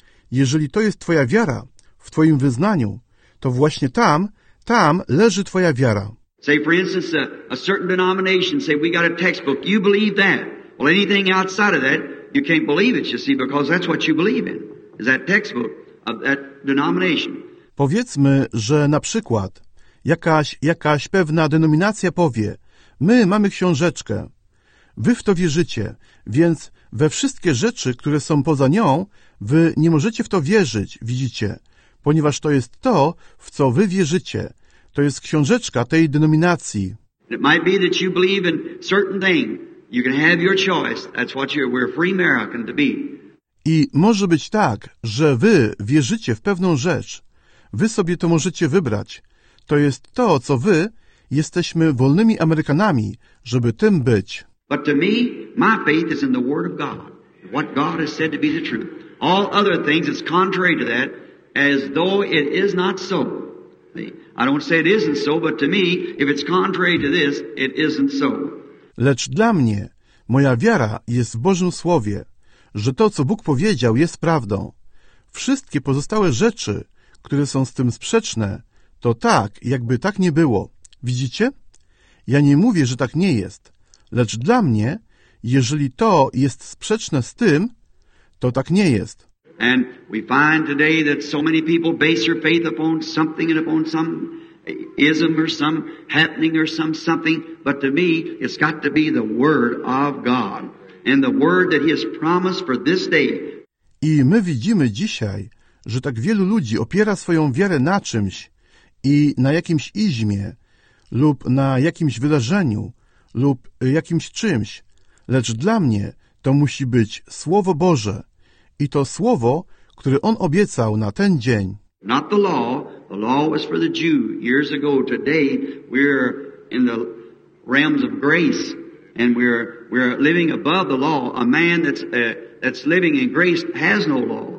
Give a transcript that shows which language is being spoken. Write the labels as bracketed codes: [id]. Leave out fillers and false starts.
[pl] Jeżeli to jest twoja wiara, w twoim wyznaniu, to właśnie tam leży twoja wiara. [en] Say for instance a certain denomination, say we got a textbook, you believe that. Well, anything outside of that, you can't believe it, you see, because that's what you believe in, is that textbook of that denomination. [pl] Powiedzmy, że na przykład jakaś pewna denominacja powie, my mamy książeczkę, wy w to wierzycie, więc we wszystkie rzeczy, które są poza nią, wy nie możecie w to wierzyć, widzicie. Ponieważ to jest to, w co wy wierzycie. To jest książeczka tej denominacji. [en] It might be that you believe in certain thing. You can have your choice. That's what we're free American to be. [pl] I może być tak, że wy wierzycie w pewną rzecz. Wy sobie to możecie wybrać. To jest to, co wy jesteśmy wolnymi Amerykanami, żeby tym być. [en] But to me, my faith is in the word of God. What God has said to be the truth. All other things is contrary to that. As though it is not so. I don't say it isn't so, but to me, if it's contrary to this, it isn't so. [pl] Lecz dla mnie, moja wiara jest w Bożym Słowie, że to, co Bóg powiedział, jest prawdą. Wszystkie pozostałe rzeczy, które są z tym sprzeczne, to tak, jakby tak nie było. Widzicie? Ja nie mówię, że tak nie jest. Lecz dla mnie, jeżeli to jest sprzeczne z tym, to tak nie jest. [en] And we find today that so many people base their faith upon something and upon some ism or some happening or some something. But to me, it's got to be the word of God and the word that He has promised for this day. [pl] I my widzimy dzisiaj, że tak wielu ludzi opiera swoją wiarę na czymś i na jakimś izmie lub na jakimś wydarzeniu lub jakimś czymś, lecz dla mnie to musi być Słowo Boże i to Słowo, które On obiecał na ten dzień. [en] Not the law. The law was for the Jew years ago. Today we're in the realms of grace and we're living above the law. A man that's living in grace has no law.